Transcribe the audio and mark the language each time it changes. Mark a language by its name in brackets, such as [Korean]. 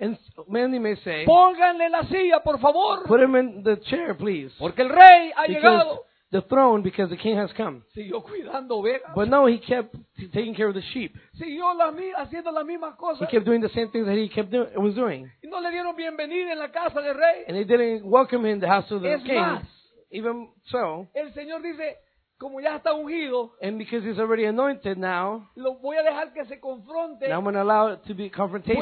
[English] and many may say, [Spanish] pónganle la silla, por favor. [English] Put him in the chair, please. [Spanish] Porque el rey ha llegado. [English] The throne, because the king has come. [Spanish] Siguió cuidando ovejas. [English] But no, he kept taking care of the sheep. [Spanish] Siguió la haciendo la misma cosa. [English] He kept doing the same things that he kept was doing. [Spanish] Y no le dieron bienvenida en la casa del rey. [English] And they didn't welcome him in the house of the [Spanish] es [English] king. [Spanish] Más, [English] even so, [Spanish] el Señor dice, como ya está ungido, [English] and because he's already anointed now, [Spanish] lo voy a dejar que se confronte. [English] Now I'm going to allow it to be confrontation.